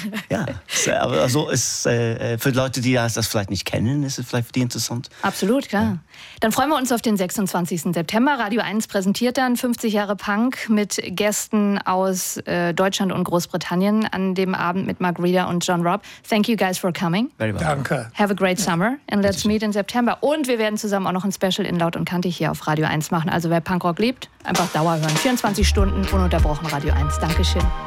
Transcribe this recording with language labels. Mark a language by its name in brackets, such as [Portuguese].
[German] Ja, aber so ist für Leute, die das vielleicht nicht kennen, ist es vielleicht für die interessant. Absolut, klar. Ja. Dann freuen wir uns auf den 26. September. Radio 1 präsentiert dann 50 Jahre Punk mit Gästen aus Deutschland und Großbritannien an dem Abend mit Mark Reeder und John Robb. [English] Thank you guys for coming. Very well. [German] Danke. [English] Have a great summer and let's meet in September. [German] Und wir werden zusammen auch noch ein Special in Laut und Kantig hier auf Radio 1 machen. Also wer Punkrock liebt, einfach Dauer hören. 24 Stunden ununterbrochen Radio 1. Dankeschön.